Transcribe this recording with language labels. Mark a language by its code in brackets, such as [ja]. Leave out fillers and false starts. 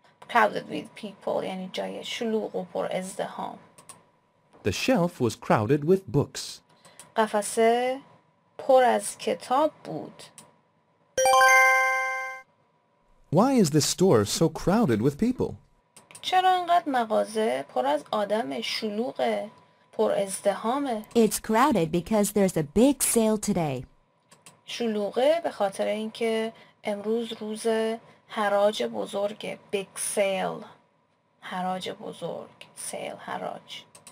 [en] Crowded with people, [fa] یعنی جای شلوغ و پر ازدحام. [en] The shelf was crowded with books. [fa] قفسه پر از کتاب بود. [en] Why is this store so crowded with people? [fa] چرا اینقدر مغازه پر از آدم شلوغه؟ پر ازدهامه. [en] It's crowded because there's a big sale today. [fa] شلوغه به خاطر اینکه امروز روز حراج بزرگه. [en] Big sale. [fa] حراج بزرگ. Sale. حراج.